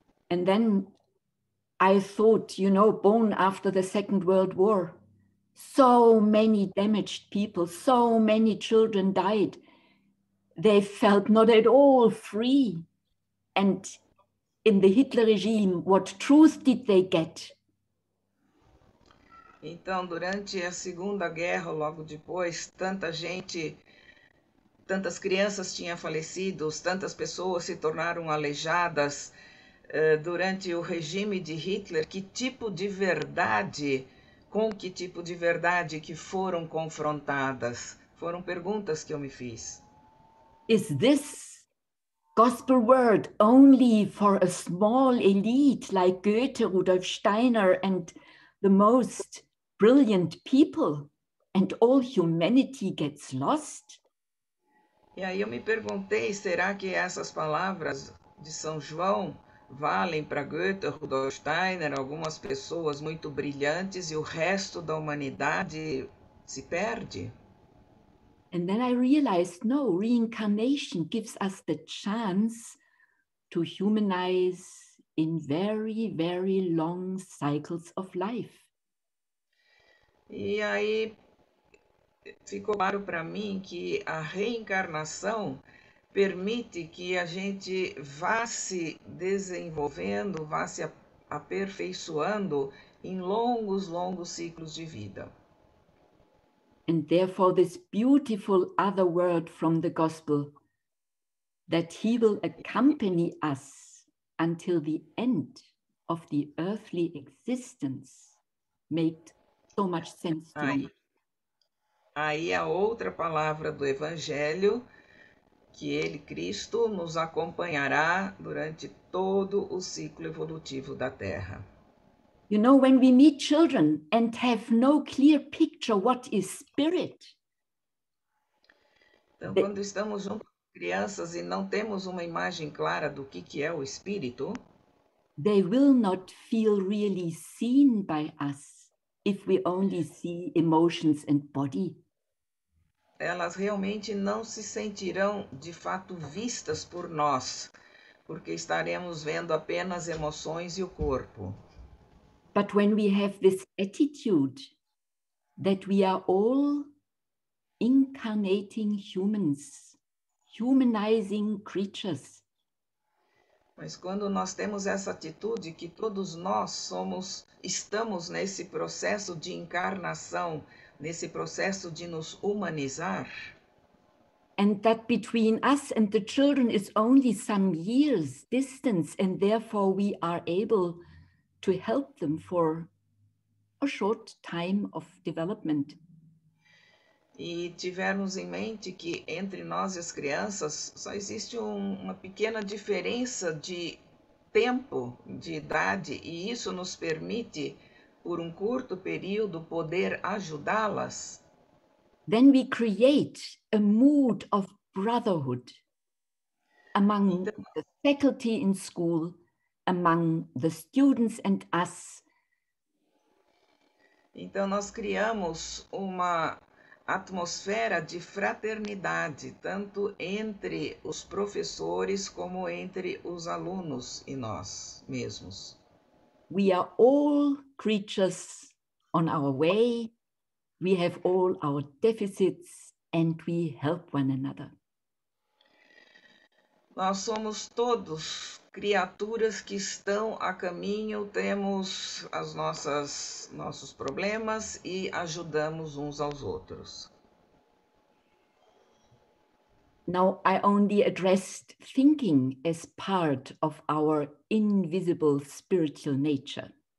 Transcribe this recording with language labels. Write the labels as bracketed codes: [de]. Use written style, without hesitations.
[en] And then I thought, you know, born after the Second World War, so many damaged people, so many children died. They felt not at all free. And in the Hitler regime, what truth did they get? [pt] Então, durante a Segunda Guerra, logo depois, tanta gente, tantas crianças tinham falecido, tantas pessoas se tornaram aleijadas, durante o regime de Hitler. Que tipo de verdade, com que tipo de verdade que foram confrontadas? Foram perguntas que eu me fiz. [en] Is this gospel word only for a small elite like Goethe, Rudolf Steiner, and the most brilliant people, and all humanity gets lost? [pt] E aí, eu me perguntei: será que essas palavras de São João valem para Goethe, Rudolf Steiner, algumas pessoas muito brilhantes e o resto da humanidade se perde? [en] And then I realized, no, reincarnation gives us the chance to humanize in very, very long cycles of life. [pt] E aí. Ficou claro para mim que a reencarnação permite que a gente vá se desenvolvendo, vá se aperfeiçoando em longos, longos ciclos de vida. [en] And therefore, this beautiful other word from the gospel, that he will accompany us until the end of the earthly existence, made so much sense to me. [pt] Aí a outra palavra do Evangelho, que ele, Cristo, nos acompanhará durante todo o ciclo evolutivo da Terra. [en] You know, when we meet children and have no clear picture what is spirit, [pt] Então, quando estamos junto com crianças e não temos uma imagem clara do que é o Espírito. [en] they will not feel really seen by us if we only see emotions and body. [pt] Elas realmente não se sentirão de fato vistas por nós, porque estaremos vendo apenas emoções e o corpo. [en] But when we have this attitude that we are all incarnating humans, humanizing creatures, [pt] Mas quando nós temos essa atitude que todos nós estamos nesse processo de encarnação, nesse processo de nos humanizar. [en] and that between us and the children is only some years distance, and therefore we are able to help them for a short time of development. [pt] E tivermos em mente que entre nós e as crianças só existe uma pequena diferença de tempo, de idade, e isso nos permite, por um curto período, poder ajudá-las. [en] Then we create a mood of brotherhood among [pt] Então, [en] the faculty in school, among the students and us. [pt] nós criamos uma atmosfera de fraternidade, tanto entre os professores como entre os alunos e nós mesmos. [en] We are all creatures on our way. We have all our deficits and we help one another. [pt] Nós somos todos criaturas que estão a caminho, temos as nossos problemas e ajudamos uns aos outros. [en] Now I only addressed thinking as part of our invisible spiritual nature.